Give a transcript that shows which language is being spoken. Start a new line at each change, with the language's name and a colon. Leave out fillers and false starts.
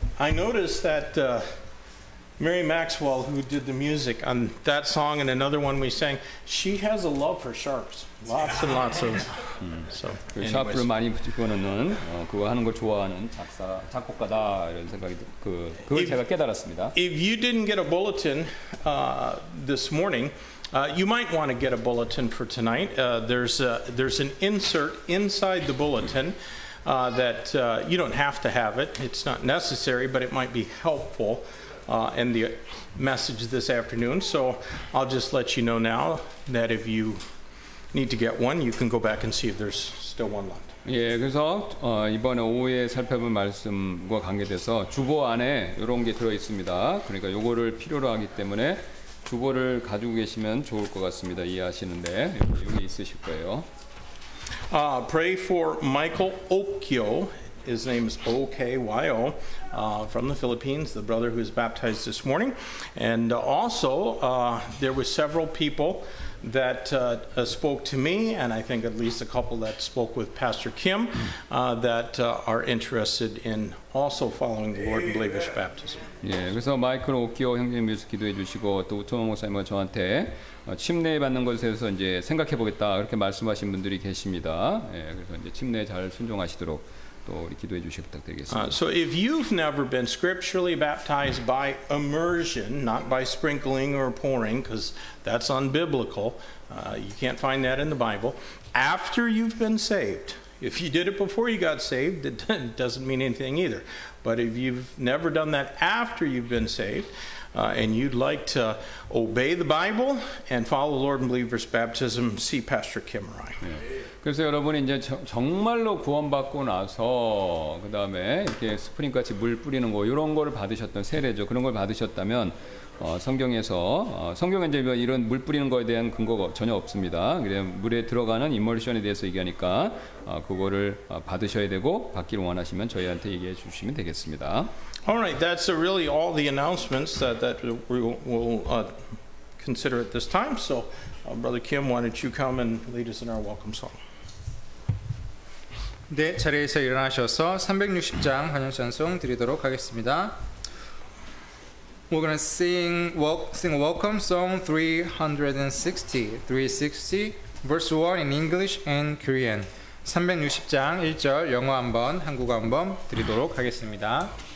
English: I noticed that Mary Maxwell, who did the music on that song and another one we sang, she has a love for sharps. Lots and lots of.
Korean: So, 샤프를 많이 붙여놓는 그거 하는 걸 좋아하는 작곡가다 이런 생각이 그걸 제가 깨달았습니다.
English: If you didn't get a bulletin this morning, you might want to get a bulletin for tonight. There's an insert inside the bulletin that you don't have to have it. It's not necessary, but it might be helpful. And the message this afternoon. So I'll just let you know now that if you need to get one, you can go back and see if there's still one left.
Korean: 예, 그래서 이번 오후에 살펴본 말씀과 관계돼서 주보 안에 이런 게 들어 있습니다. 그러니까 요거를 필요로 하기 때문에 주보를 가지고 계시면 좋을 것 같습니다. 이해하시는데 여기 있으실 거예요.
English: Pray for Michael Okyo. His name is O-K-Y-O from the Philippines, the brother who was baptized this morning. And also, there were several people that spoke to me, and I think at least a couple that spoke with Pastor Kim that are interested in also following the Lord and Believers baptism.
Korean: 예, 그래서 마이클 오키오 형제님 위해서 기도해 주시고 또 우토모 목사님과 저한테 침례 받는 것에 대해서 이제 생각해 보겠다 그렇게 말씀하신 분들이 계십니다. 예, 그래서 이제 침례 잘 순종하시도록
English: So if you've never been scripturally baptized by immersion, not by sprinkling or pouring, because that's unbiblical, you can't find that in the Bible, after you've been saved, if you did it before you got saved, it doesn't mean anything either. But if you've never done that after you've been saved, and you'd like to obey the Bible and follow the Lord and Believers baptism, see Pastor Kim or I.
Korean: 그래서 여러분이 이제 정말로 구원받고 나서 그 다음에 이렇게 스프링 같이 물 뿌리는 거 이런 거를 받으셨던 세례죠 그런 걸 받으셨다면 성경에서 성경에 이제 이런 물 뿌리는 거에 대한 근거가 전혀 없습니다. 그래 물에 들어가는 이머션에 대해서 얘기하니까 그거를 받으셔야 되고 받기를 원하시면 저희한테 얘기해 주시면 되겠습니다.
English: Alright, that's really all the announcements that we will consider at this time. So. Brother Kim, why don't you come and lead us in our welcome song?
Korean: 네, 자리에서 일어나셔서 360장 환영 찬송 드리도록 하겠습니다.
English: We're gonna sing a welcome song 360 verse 1 in English and Korean.
Korean: 360장 1절 영어 한번 한국어 한번 드리도록 하겠습니다.